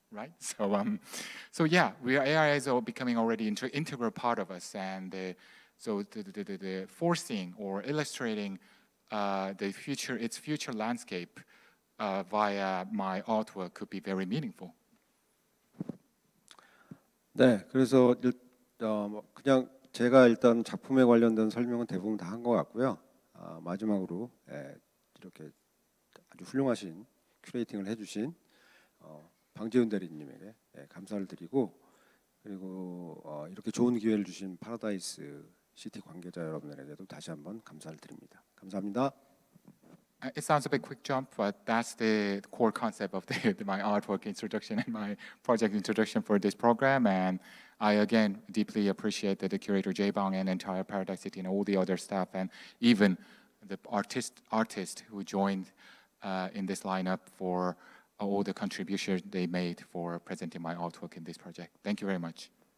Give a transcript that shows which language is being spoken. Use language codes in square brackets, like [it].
[en] Right, so AI is all becoming already integral part of us, and so the forcing or illustrating its future landscape via my artwork could be very meaningful. [ko] 네, 그래서 그냥 제가 일단 작품에 관련된 설명은 대부분 다 한 것 같고요. 마지막으로 이렇게 아주 훌륭하신 큐레이팅을 해주신. 방재훈 대리님에게 네, 감사를 드리고 그리고 이렇게 좋은 기회를 주신 파라다이스 시티 관계자 여러분들에게도 다시 한번 감사를 드립니다. 감사합니다. [en] It sounds a bit quick jump, but that's the core concept of my artwork introduction and my project introduction for this program. And I, again, deeply appreciate that the curator Jaebang and entire Paradise City and all the other staff and even the artist who joined in this lineup for all the contributions they made for presenting my artwork in this project. Thank you very much.